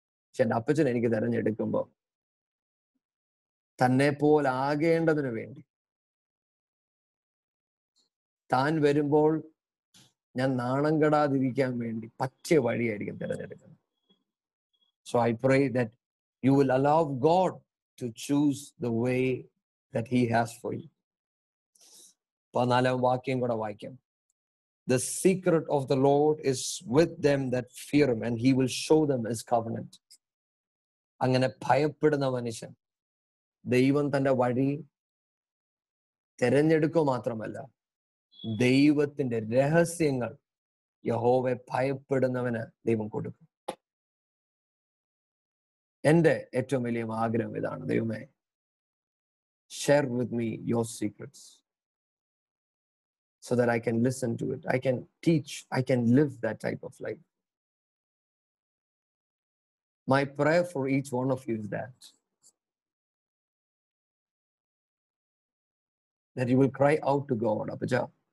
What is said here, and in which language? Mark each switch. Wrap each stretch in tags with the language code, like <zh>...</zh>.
<ml>പക്ഷെ എൻ്റെ അപ്പച്ചൻ എനിക്ക് തെരഞ്ഞെടുക്കുമ്പോൾ തന്നെ പോലാകേണ്ടതിന് വേണ്ടി, താൻ വരുമ്പോൾ ഞാൻ നാണം കെടാതിരിക്കാൻ വേണ്ടി പറ്റിയ വഴിയായിരിക്കും തിരഞ്ഞെടുക്കുന്നത്.</ml> <en>So I pray that you will allow God to choose the way that he has for you.</en> <ml>14th വാക്യം കൂടെ വായിക്കാം.</ml> <en>The secret of the Lord is with them that fear him and he will show them his covenant.</en> <ml>അങ്ങനെ ഭയപ്പെടുന്ന മനുഷ്യൻ ദൈവം തന്റെ വഴി തിരഞ്ഞെടുക്കുക മാത്രമല്ല, ദൈവത്തിന്റെ രഹസ്യങ്ങൾ യഹോവയെ ഭയപ്പെടുന്നവന് ദൈവം കൊടുക്കും. എന്റെ ഏറ്റവും വലിയ ആഗ്രഹം ഇതാണ്, ദൈവമേ,</ml> <en>share with me your secrets. So that I can listen to it, I can teach, I can live that type of life. My prayer for each one of you is that you will cry out to God, Abijah,</en>